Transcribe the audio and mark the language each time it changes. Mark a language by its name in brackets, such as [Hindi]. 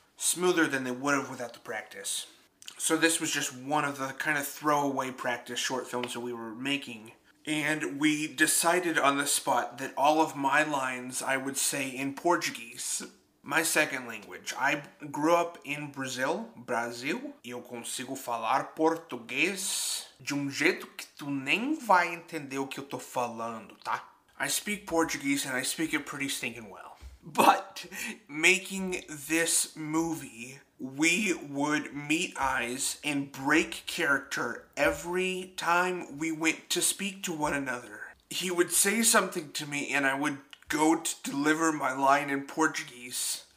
[English] Smoother than they would have without the practice. So this was just one of the kind of throwaway practice short films that we were making. And we decided on the spot that all of my lines I would say in Portuguese. My second language. I grew up in Brazil. Brasil. [Portuguese] E eu consigo falar português de jeito que tu nem vai entender o que eu tô falando, tá? [English] I speak Portuguese and I speak it pretty stinking well. But making this movie, we would meet eyes and break character every time we went to speak to one another. He would say something to me and I would go to deliver my line in Portuguese.